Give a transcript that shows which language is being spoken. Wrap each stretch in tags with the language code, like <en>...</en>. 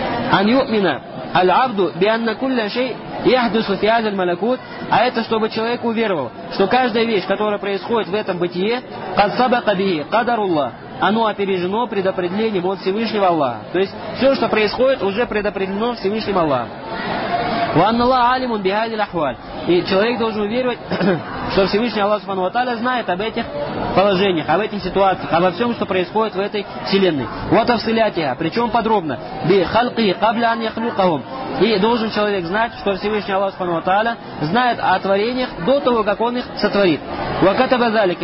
<ar>Ан юмина аль-абду бианна кулля шей яхдусу фи хазаль малякут.</ar> <ru>А это чтобы человек уверовал, что каждая вещь, которая происходит в этом бытие,</ru> <ar>«кад сабака бихи, кадарулла»,</ar> <ru>оно опережено предопределением от Всевышнего Аллаха. То есть все, что происходит, уже предопределено Всевышним Аллахом.</ru> <ar>وأن الله عالم بهذه الأحوال.</ar> <ru>И человек должен уверовать, что Всевышний Аллах Субхану ва Тааля знает об этих положениях, об этих ситуациях, обо всем, что происходит в этой вселенной. Вот</ru> <ar>афсилятия,</ar> <ru>причем подробно.</ru> <ar>Би халки кабля ан яхлюкахум.</ar> <ru>И должен человек знать, что Всевышний Аллах Субхану ва Тааля знает о творениях до того, как он их сотворит.</ru> <ar>Вакатаба залика.</ar>